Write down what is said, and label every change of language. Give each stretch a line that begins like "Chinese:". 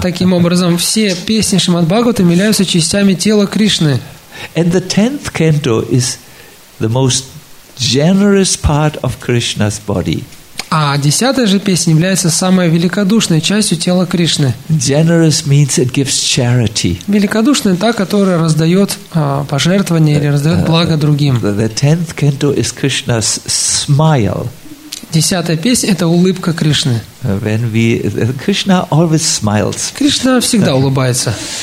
Russian: Таким образом, все песни Шримад Бхагаватам являются частями тела Кришны.
English: And the tenth canto is the most generous part of Krishna's body.
Russian: А десятая же песня является самой великодушной частью тела Кришны.
English: Generous means it gives charity.
Russian: Великодушная та, которая раздает пожертвования или раздает благо другим.
English: The tenth canto is Krishna's smile.
Russian: Десятая песня – это улыбка Кришны.
English: Krishna always smiles.
Russian: Кришна всегда улыбается.